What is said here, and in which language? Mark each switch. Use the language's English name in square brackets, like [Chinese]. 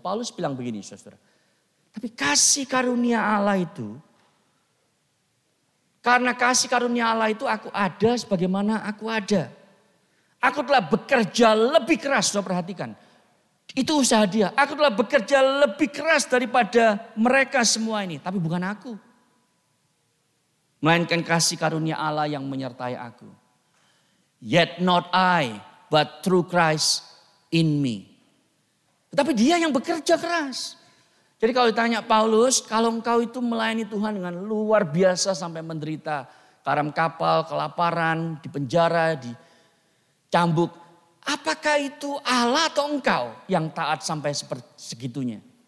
[Indonesian] Paulus bilang begini saudara. Tapi kasih karunia Allah itu, karena kasih karunia Allah itu aku ada sebagaimana aku ada. Aku telah bekerja lebih keras, saudara perhatikan. Itu usaha dia. Aku telah bekerja lebih keras daripada mereka semua ini. Tapi bukan aku. Melainkan kasih karunia Allah yang menyertai aku. [English] Yet not I, but through Christ in me. [Indonesian] Tapi dia yang bekerja keras. Jadi kalau ditanya Paulus, kalau engkau itu melayani Tuhan dengan luar biasa sampai menderita karam kapal, kelaparan, di penjara, di cambuk. Apakah itu Allah atau engkau yang taat sampai segitunya?